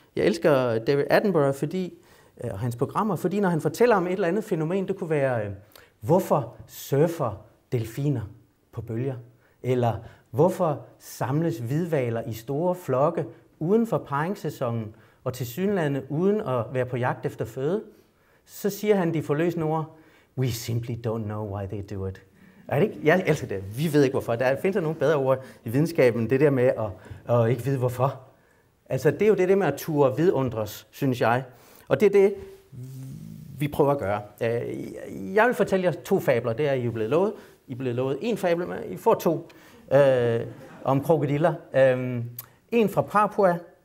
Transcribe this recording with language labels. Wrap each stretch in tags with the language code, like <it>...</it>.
<da>Jeg elsker David Attenborough og hans programmer, fordi når han fortæller om et eller andet fænomen, det kunne være, hvorfor surfer delfiner på bølger? Eller hvorfor samles hvidhvaler i store flokke uden for paringssæsonen og tilsyneladende uden at være på jagt efter føde? Så siger han de forløsende ord,</da> <en>we simply don't know why they do it.</en> <da>Er det ikke? Jeg elsker det. Vi ved ikke hvorfor. Findes der nogle bedre ord i videnskaben, det der med at ikke vide hvorfor? Altså det er jo det der med at ture vidundres, synes jeg. Og det er det, vi prøver at gøre. Jeg vil fortælle jer to fabler, det er I jo blevet lovet. I er blevet lovet en fabel, men I får to om krokodiller. En fra Papua.</da>